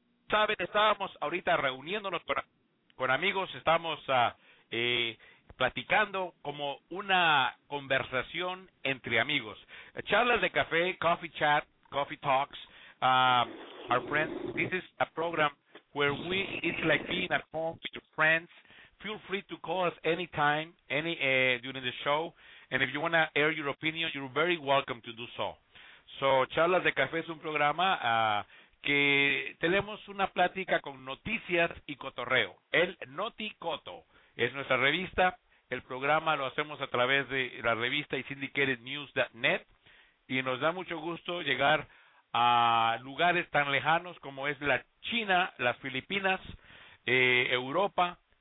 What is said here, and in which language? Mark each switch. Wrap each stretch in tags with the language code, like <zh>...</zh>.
<es>saben, estábamos ahorita reuniéndonos con amigos, estamos platicando como una conversación entre amigos.</es> <en>Charlas de café, coffee chat, coffee talks. Our friends, this is a program where we, it's like being at home with your friends. Feel free to call us anytime, during the show. And if you want to air your opinion, you're very welcome to do so.</en> <es>So, Charlas de Café es un programa que tenemos una plática con noticias y cotorreo. El Noticoto es nuestra revista. El programa lo hacemos a través de la revista y syndicatednews.net. Y nos da mucho gusto llegar a lugares tan lejanos como es la China, las Filipinas, Europa.</es>